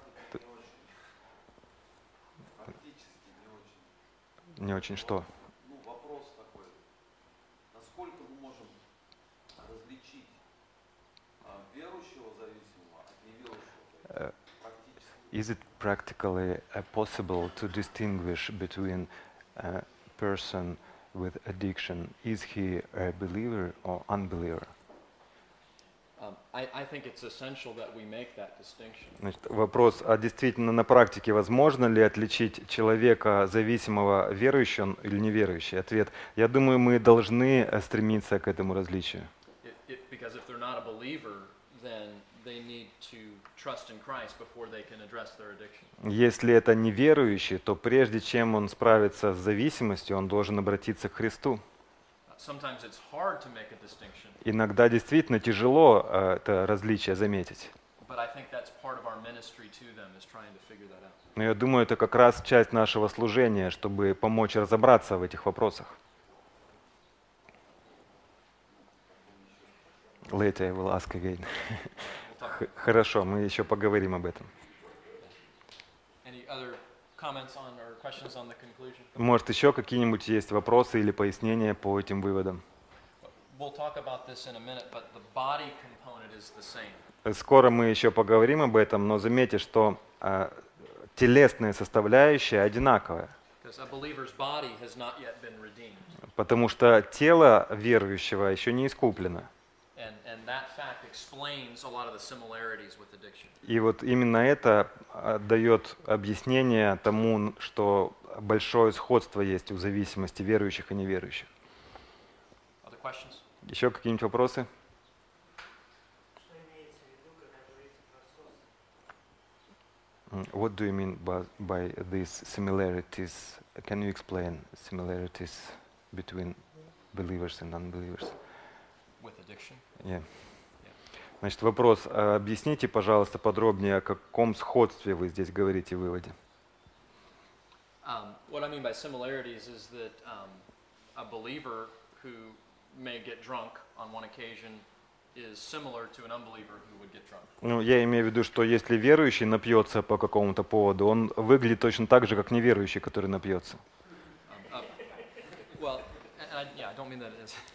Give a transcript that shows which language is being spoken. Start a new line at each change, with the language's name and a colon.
Russian: Практически не очень. Не очень что? Ну, вопрос такой. Насколько мы можем различить верующего зависимого от неверующего? Практически.
English: Is it practically possible to distinguish between a person with addiction. Is he a believer or unbeliever? I think it's essential that we make that distinction.
Russian: Значит, вопрос, а действительно на практике возможно ли отличить человека зависимого, верующий он или неверующий? Ответ: я думаю, мы должны стремиться к этому различию.
English: Because if they're not a believer, then they need to trust in Christ before they can address their addiction.
Russian: Если это неверующий, то прежде чем он справится с зависимостью, он должен обратиться к Христу.
English: Sometimes it's hard to make a distinction.
Russian: Иногда действительно тяжело это различие заметить.
English: But I think that's part of our ministry to them, is trying to figure that out.
Russian: Но я думаю, это как раз часть нашего служения, чтобы помочь разобраться в этих вопросах.
English: Later I will ask again.
Russian: Хорошо, мы еще поговорим об этом.
English: Any other comments on or questions on the conclusion?
Russian: Может, еще какие-нибудь есть вопросы или пояснения по этим выводам?
English: We'll talk about this in a minute, but the body component is the same.
Russian: Скоро мы еще поговорим об этом, но заметьте, что телесная составляющая одинаковая.
English: Because a believer's body has not yet been redeemed.
Russian: Потому что тело верующего еще не искуплено.
English: And that fact explains a lot of the similarities with addiction.
Russian: И вот именно это дает объяснение тому, что большое сходство есть у зависимости верующих и неверующих.
English: Other questions?
Russian: Еще какие-нибудь вопросы? Что имеется в виду, когда говорится про сходство?
English: What do you mean by these similarities? Can you explain similarities between believers and unbelievers? With addiction?
Russian: Yeah. Значит, вопрос. Объясните, пожалуйста, подробнее, о каком сходстве вы здесь говорите в выводе.
English: What I mean by similarities is that a believer who may get drunk on one occasion is similar to an unbeliever who would get drunk.
Russian: Ну, я имею в виду, что если верующий напьется по какому-то поводу, он выглядит точно так же, как неверующий, который напьется.
English: Well, and I don't mean that it is.